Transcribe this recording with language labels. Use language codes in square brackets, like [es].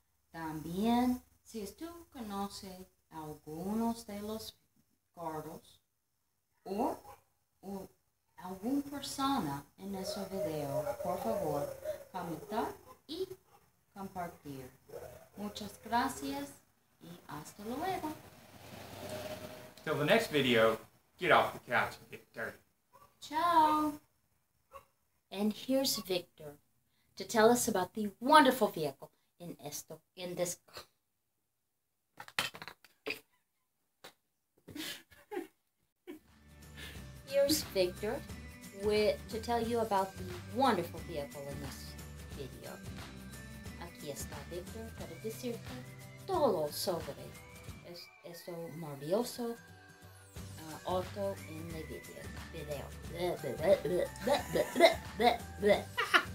[es] También, si tú conoces algunos de los cuadros o alguna persona en ese video, por favor, comentar y compartir. Muchas gracias y hasta luego. [en] Till the next video, get off the couch and get dirty. [it] Ciao. [en] And here's Victor to tell us about the wonderful vehicle in this. Here's Victor to tell you about the wonderful vehicle in this video. [es] Aquí está Victor para decirte todo sobre eso maravilloso auto en el video.